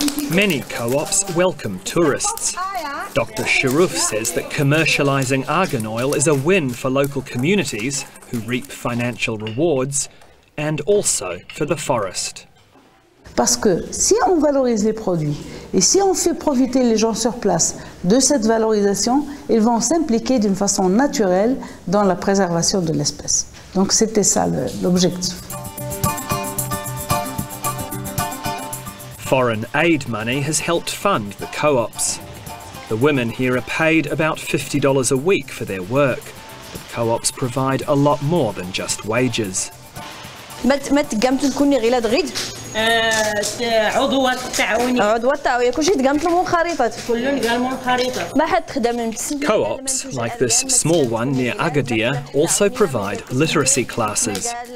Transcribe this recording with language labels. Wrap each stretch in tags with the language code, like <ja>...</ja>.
<en>Many co-ops welcome tourists. Dr. Sharouf says that commercializing argan oil is a win for local communities who reap financial rewards and also for the forest.</en> <fr>Parce que si on valorise les produits et si on fait profiter les gens sur place de cette valorisation, ils vont s'impliquer d'une façon naturelle dans la préservation de l'espèce. Donc c'était ça l'objectif.</fr> <en>Foreign aid money has helped fund the co-ops. The women here are paid about $50 a week for their work. But co-ops provide a lot more than just wages. Co-ops, like this small one near Agadir, also provide literacy classes.</en>